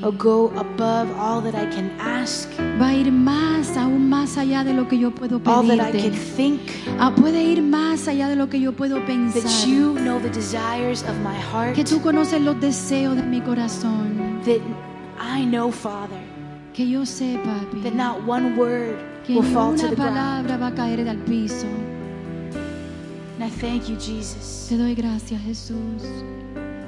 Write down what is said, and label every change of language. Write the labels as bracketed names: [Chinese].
[English] will go above all that I can ask, [Spanish] va a ir más, aún más allá de lo que yo puedo pedirte, [English] all that I can think, [Spanish] puede ir más allá de lo que yo puedo pensar, [English] that you know the desires of my heart, [Spanish] que tú conoces los deseos de mi corazón, [English] that I know, Father, [Spanish] que yo sé, Papi, [English] that not one word [Spanish] que [English] will fall to the [Spanish] palabra [English] ground. [Spanish] Va a caer del piso. [English] And I thank you, Jesus. [Spanish] Te doy gracias, Jesús.